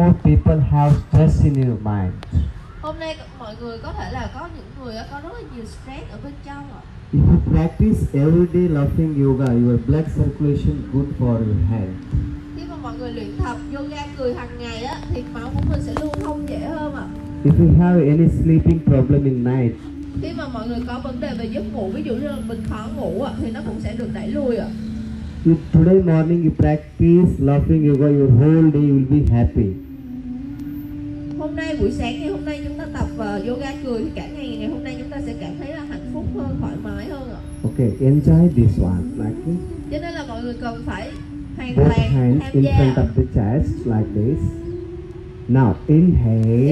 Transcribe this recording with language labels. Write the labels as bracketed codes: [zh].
[en] Today more people have stress in your mind. [vi] Hôm nay mọi người có thể là có những người có rất là nhiều stress ở bên trong ạ. [en] If you practice everyday laughing yoga, your blood circulation good for your health. [vi] Khi mà mọi người luyện tập yoga cười hàng ngày á thì máu của mình sẽ luôn thông dễ hơn ạ. [en] If you have any sleeping problem in night. [vi] Khi mà mọi người có vấn đề về giấc ngủ, ví dụ như là mình khó ngủ ạ, thì nó cũng sẽ được đẩy lùi ạ. [en] If today morning you practice laughing yoga, your whole day will be happy. [vi] Hôm nay buổi sáng ngày hôm nay chúng ta tập yoga cười thì cả ngày hôm nay chúng ta sẽ cảm thấy hạnh phúc hơn, thoải mái hơn ạ. [en] Okay, enjoy this one, like this. [vi] Cho nên là mọi người cần phải hoàn toàn tham gia. [en] In front of the chest like this. Now inhale.